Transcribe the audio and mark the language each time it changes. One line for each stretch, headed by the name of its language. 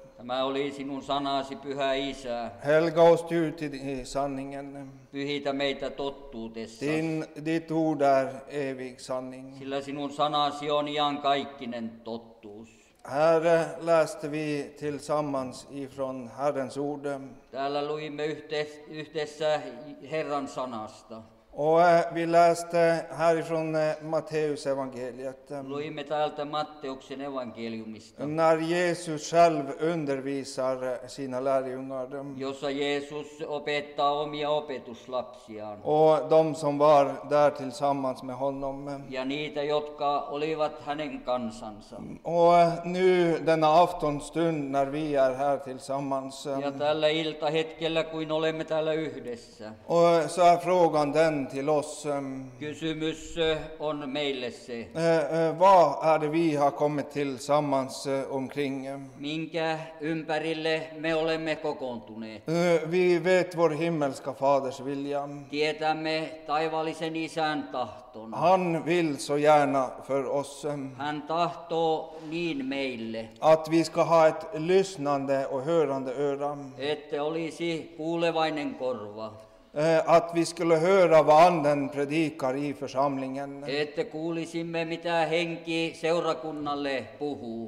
Finnish: Tämä oli sinun sanasi, pyhä isä.
Swedish: Helga oss styrt i sanningen.
Finnish: Pyhitä meitä tottuutessa.
Swedish: Ditt ord är evig sanning.
Finnish: Sillä sinun sanasi on iankaikkinen totuus.
Swedish: Här läste vi tillsammans ifrån Herrens ord.
Finnish: Täällä luimme yhdessä Herran sanasta.
Swedish: Och vi läste härifrån Matteus evangeliet.
Finnish: Luimme täältä Matteuksen evankeliumista.
Swedish: När Jesus själv undervisar sina lärjungar.
Finnish: Jossa Jesus opettaa omia opetuslapsiaan.
Swedish: Och de som var där tillsammans med honom.
Finnish: Ja niitä, jotka olivat hänen kansansa.
Swedish: Och nu denna aftonstund när vi är här tillsammans.
Finnish: Ja tällä iltahetkellä, kuin olemme täällä yhdessä.
Swedish: Och så är frågan den. Till oss.
Finnish: Kysymys on meille se.
Swedish: Vad är det vi har kommit tillsammans omkring?
Finnish: Minkä ympärille me olemme kokoontuneet?
Swedish: Vi vet vår himmelska faders vilja.
Finnish: Tietämme taivaallisen isän tahton.
Swedish: Han vill så gärna för oss.
Finnish: Hän tahtoo niin meille.
Swedish: Att vi ska ha ett lyssnande och hörande öra.
Finnish: Että olisi kuulevainen korva.
Swedish: Att vi skulle höra vad anden predikar i församlingen.
Finnish: Att kuulisimme mitä henki seurakunnalle puhuu.